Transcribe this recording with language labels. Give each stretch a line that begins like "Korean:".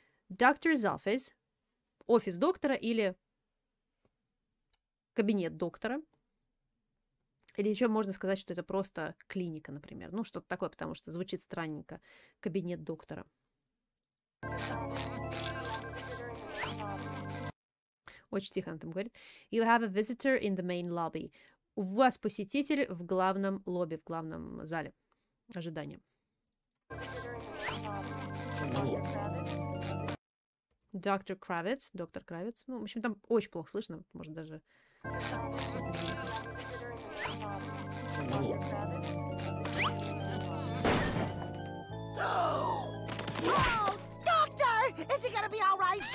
English: Doctor's office.
Russian: Офис доктора или кабинет доктора. Или еще можно сказать, что это просто клиника, например. Ну, что-то такое, потому что звучит странненько. Кабинет доктора. Очень тихо она там говорит.
English: You have a visitor in the main lobby.
Russian: У вас посетитель в главном лобби, в главном зале ожидания. Доктор Кравец. Доктор Кравец. Ну, в общем, там очень плохо слышно. Может, даже...
English: Доктор! Is it gonna be all right?